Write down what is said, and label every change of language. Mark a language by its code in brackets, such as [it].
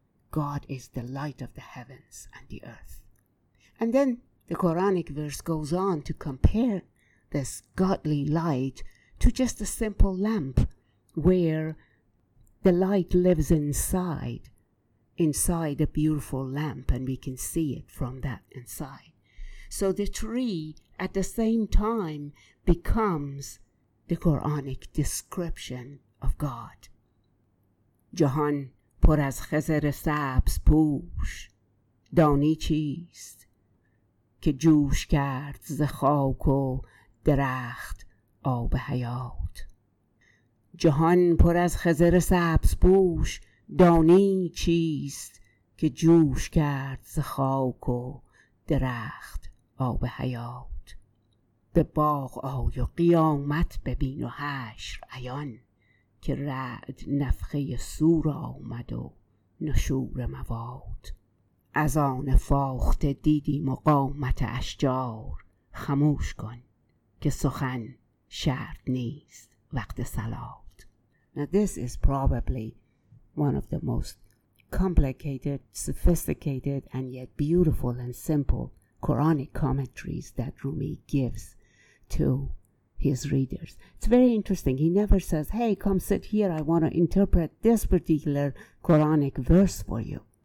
[en] God is the light of the heavens and the earth. And then the Quranic verse goes on to compare this godly light to just a simple lamp where the light lives inside a beautiful lamp, and we can see it from that inside. So the tree at the same time becomes the Quranic description of God. [fa] جهان پر از خضر سبز پوش دانی چیست که جوش کرد ز خاک و درخت آب حیات. جهان پر از خضر سبز پوش دانی چیست که جوش کرد ز خاک و درخت آب حیات. به باغ آی و قیامت ببین و حشر عیان که رعد نفخه سور آمد و نشور مواد. از آن فاخته دیدی مقامت اشجار خموش کن که سخن شرط نیست وقت صلات. [en] Now this is probably one of the most complicated, sophisticated and yet beautiful and simple Quranic commentaries that Rumi gives to his readers. It's very interesting. He never says, hey, come sit here, I want to interpret this particular Quranic verse for you.